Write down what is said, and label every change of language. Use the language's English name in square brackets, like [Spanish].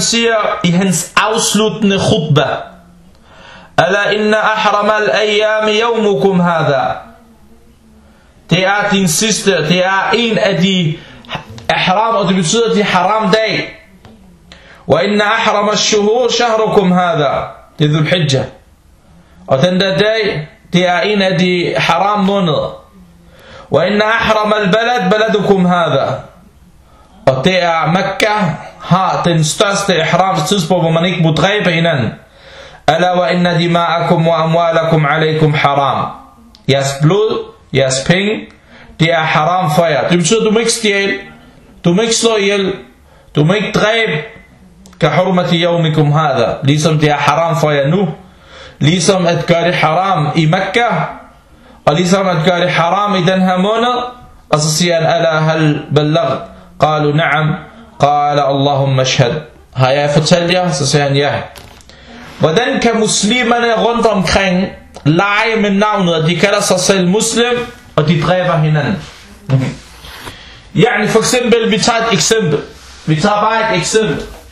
[Danish] siger i hans afsluttende khutba, [Arabic] ألا إن أحرم الأيام يومكم هذا. [Danish] Det er din sidste, det er en af de ihram, og det betyder at det er haram dag. [Arabic] وإن أحرم الشهور شهركم هذا. [Danish] Det er ذوالحجة. Og den der dag, det er en af de haram måneder. [Arabic] وإن أحرم البلد بلدكم هذا. [Danish] Og det er Mekka, har den største ihram tidspunkt, hvor man ikke må dræbe hinanden. [Arabic] ألا وإن دماءكم وأموالكم عليكم حرام. [Danish] Jeres blod, jeres penge, det er haram for jer. Det betyder, du må ikke stjæle, du må ikke slå ihjel, du må ikke dræbe. [Arabic] كحرمتي يومكم هذا. [Danish] Ligesom det er haram for jer nu. Ligesom at gøre det haram i Mekka, og ligesom at gøre det haram i den her måned. Og så siger han, [Arabic] ألا هل بلغ؟ قالوا نعم. قال اللهم اشهد. [Danish] Har jeg fortalt jer? Så siger han ja. Hvordan kan muslimerne rundt omkring lege med navnet, at de kalder sig selv muslim, og de dræber hinanden? Yani for eksempel, vi tager et eksempel. Vi tager bare et eksempel.